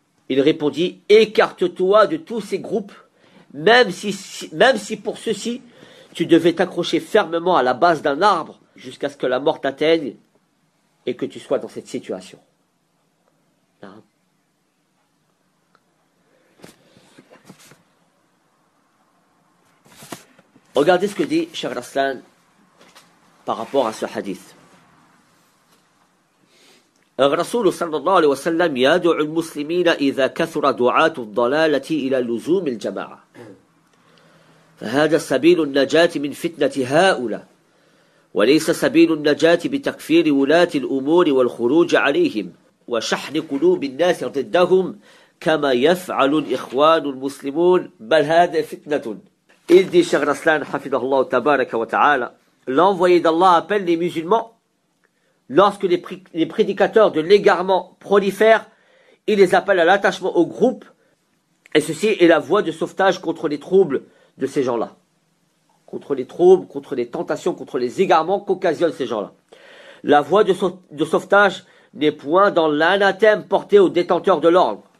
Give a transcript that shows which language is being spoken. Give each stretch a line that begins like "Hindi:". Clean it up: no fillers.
French: Il répondit, écarte-toi de tous ces groupes, même si pour ceci, tu devais t'accrocher fermement à la base d'un arbre jusqu'à ce que la mort t'atteigne et que tu sois dans cette situation. Regardez ce que dit Cheikh Raslan par rapport à ce hadith.
Arabic: الرسول صلى الله عليه وسلم يدعو المسلمين إذا كثر دعاة الضلالة إلى لزوم الجماعة فهذا سبيل النجاة من فتنة هؤلاء وليس سبيل النجاة بتكفير ولاة الأمور والخروج عليهم وشحن قلوب الناس ضدهم كما يفعل الإخوان المسلمون بل هذا فتنة إذ دي شغل أسلان حفظه الله تبارك وتعالى
French: l'envoyé d'Allah appelle les musulmans. Lorsque les prédicateurs de l'égarement prolifèrent, il les appelle à l'attachement au groupe. Et ceci est la voie de sauvetage contre les troubles de ces gens-là. Contre les troubles, contre les tentations, contre les égarements qu'occasionnent ces gens-là. La voie de sauvetage n'est point dans l'anathème porté aux détenteurs de l'ordre.